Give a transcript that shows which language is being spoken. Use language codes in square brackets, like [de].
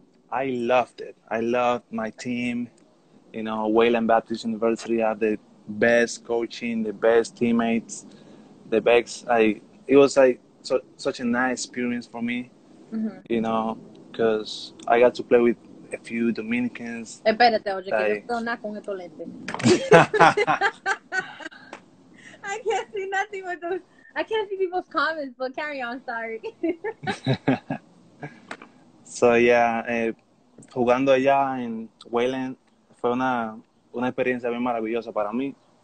[en] I loved it. I loved my team. You know, Wayland Baptist University had the best coaching, the best teammates. The bags, it was like such a nice experience for me, you know, because I got to play with a few Dominicans. [es] Espérate, oye, que yo estoy nada con estos lentes. [en] I can't see nothing with those. I can't see people's comments, but carry on, sorry. So, yeah, [es] jugando allá en Wayland fue una experiencia bien maravillosa para mí.